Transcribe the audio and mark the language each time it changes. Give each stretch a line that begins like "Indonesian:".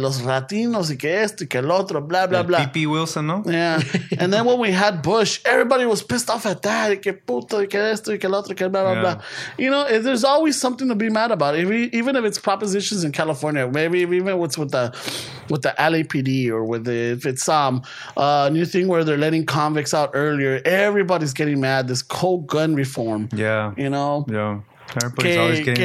Spanish: Los latinos y que esto y que el otro, blah, blah, blah. Pete Wilson, ¿no? Yeah.
English: And then when we had Bush, everybody was pissed off at that.
Spanish: Que puto, y que esto y que el otro, que blah, blah, blah.
English: You know, there's always something to be mad about. Even if it's propositions in California, maybe even what's with the LAPD or with the, if it's some new thing where they're letting convicts out earlier, everybody's getting mad. This cold gun reform. Yeah. You know? Yeah. Everybody's always getting